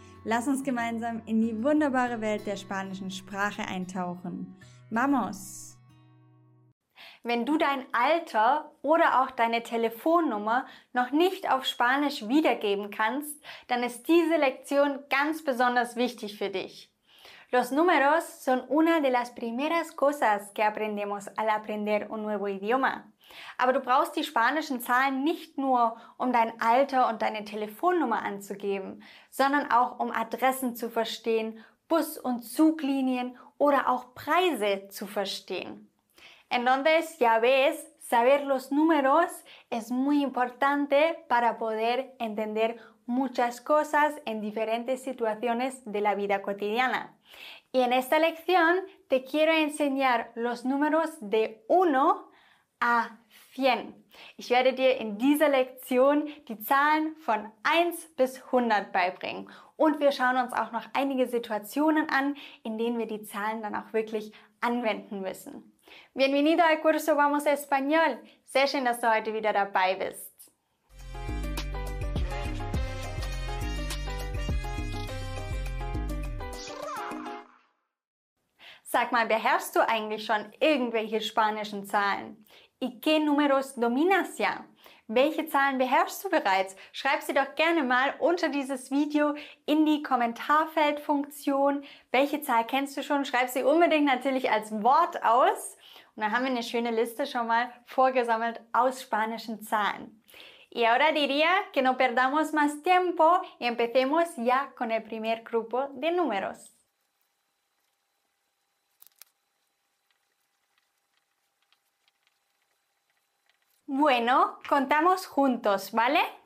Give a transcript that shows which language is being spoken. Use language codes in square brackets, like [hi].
[de] Lass uns gemeinsam in die wunderbare Welt der spanischen Sprache eintauchen. [es] ¡Vamos! [de] Wenn du dein Alter oder auch deine Telefonnummer noch nicht auf Spanisch wiedergeben kannst, dann ist diese Lektion ganz besonders wichtig für dich. [es] Los números son una de las primeras cosas que aprendemos al aprender un nuevo idioma. [de] Aber du brauchst die spanischen Zahlen nicht nur, um dein Alter und deine Telefonnummer anzugeben, sondern auch, um Adressen zu verstehen, Bus- und Zuglinien oder auch Preise zu verstehen. [es] Entonces, ya ves, saber los números es muy importante para poder entender muchas cosas en diferentes situaciones de la vida cotidiana. Y en esta lección te quiero enseñar los números de 1 a 100. [de] Ich werde dir in dieser Lektion die Zahlen von 1 bis 100 beibringen. Und wir schauen uns auch noch einige Situationen an, in denen wir die Zahlen dann auch wirklich anwenden müssen. [es] Bienvenido al curso Vamos Español. [de] Sehr schön, dass du heute wieder dabei bist. Sag mal, beherrschst du eigentlich schon irgendwelche spanischen Zahlen? [es] ¿Y qué números dominas ya? [de] Welche Zahlen beherrschst du bereits? Schreib sie doch gerne mal unter dieses Video in die Kommentarfeldfunktion. Welche Zahl kennst du schon? Schreib sie unbedingt natürlich als Wort aus. Und dann haben wir eine schöne Liste schon mal vorgesammelt aus spanischen Zahlen. [es] Y ahora diría que no perdamos más tiempo y empecemos ya con el primer grupo de números. Bueno, contamos juntos, ¿vale?